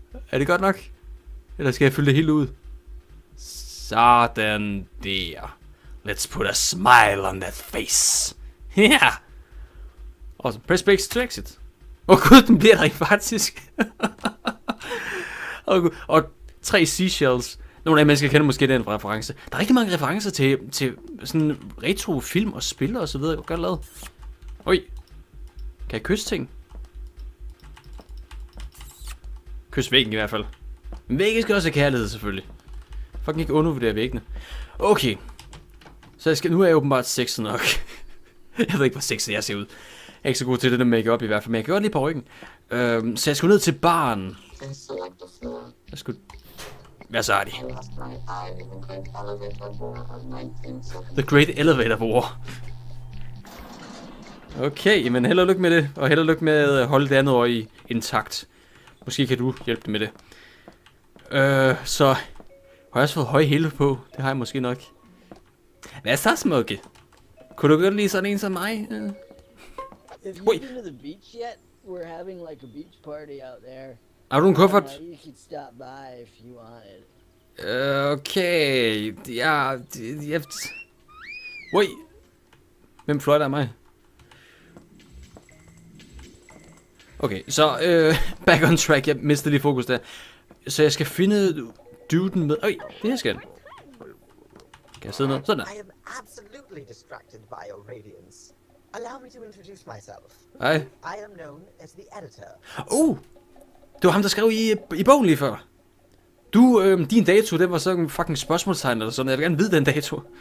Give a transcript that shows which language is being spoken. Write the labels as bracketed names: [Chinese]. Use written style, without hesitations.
[Danish] Er det godt nok? Eller skal jeg fylde det hele ud? Sådan der. [English] Let's put a smile on that face. Yeah. Awesome. Press brakes to exit. [Danish] Åh gud, den bliver der ikke faktisk. Åh gud. Og tre seashells. Nogle af jer mennesker kender måske den reference. Der er rigtig mange referencer til sådan retro film og spil og så videre. Godt lavet. Oj. Kan jeg kysse ting? Kys væggen i hvert fald. Men væggen skal også have kærlighed selvfølgelig. Fucking ikke undervurdere væggene. Okay. Så jeg skal, nu er jeg åbenbart sexet nok. Jeg ved ikke, hvor sexet jeg ser ud. Jeg er ikke så god til det der make-up i hvert fald, men jeg kan godt lide på ryggen. Så jeg skulle ned til baren. Jeg skulle... Hvad så er de? [English] The Great Elevator War. [Danish] Okay, men held og lykke med det. Og held og lykke med at holde det andet øje intakt. Måske kan du hjælpe dem med det. Så... Har jeg også fået høje hæle på? Det har jeg måske nok. Hvad er så smukke? Kunne du godt lide sådan en som mig? [English] Have you been to the beach yet? We're having like a beach party out there. [Danish] Har du en kuffert? [English] You could stop by if you wanted. [Danish] Okay. Ja, det... Wait. Hvem fløjter af mig? Okay, så [English] back on track. [Danish] Jeg mistede lige fokus der. Så jeg skal finde duden med... Øj, det her skal den. Kan jeg sidde ned? Sådan der. [English] I am absolutely distracted by your radiance. Allow me to introduce myself. [Danish] Hej. [English] I am known as the editor. [Danish] Det var ham, der skrev i bogen lige før. Du, din dato, den var sådan fucking spørgsmålstegn eller sådan. Jeg vil gerne vide den dato.